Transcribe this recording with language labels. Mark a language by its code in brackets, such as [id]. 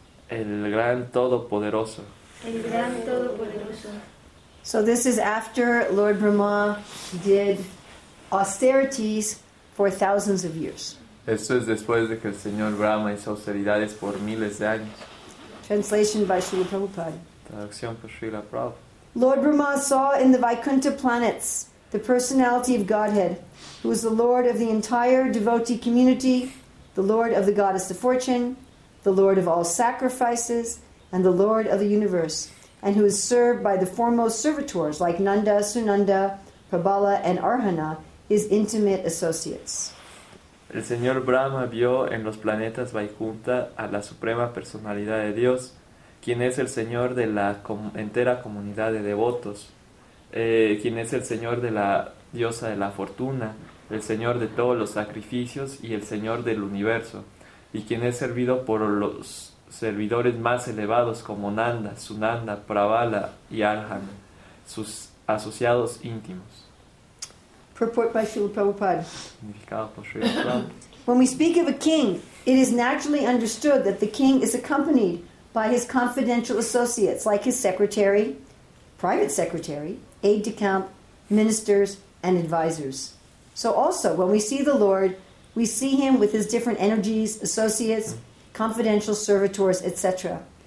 [es] El gran todopoderoso. El gran todopoderoso. [en] So this is after Lord Brahma did austerities for thousands of years. [es] Esto es después de que el señor Brahma hizo austeridades por miles de años. [en] Translation by Srila Prabhupada. [es] Traducción por Srila Prabhupada. [en] Lord Brahma saw in the Vaikuntha planets the personality of Godhead, who is the Lord of the entire devotee community, the Lord of the Goddess of Fortune, the Lord of all sacrifices, and the Lord of the universe, and who is served by the foremost servitors like Nanda, Sunanda, Prabala and Arjana, his intimate associates. [es] El señor Brahma vio en los planetas Vaikuntha a la suprema personalidad de Dios, quien es el señor de la entera comunidad de devotos, quien es el señor de la diosa de la fortuna, el señor de todos los sacrificios y el señor del universo, y quien es servido por los servidores más elevados como Nanda, Sunanda, Prabala y Arjana, sus asociados íntimos. [en] Purport by Srila Prabhupada. [es] Significado por Srila Prabhupada. [en] When we speak of a king, it is naturally understood that the king is accompanied by his confidential associates, like his secretary, private secretary, aide-de-camp, ministers, and advisors. So also, when we see the Lord, we see him with his different energies, associates, confidential servitors, etc.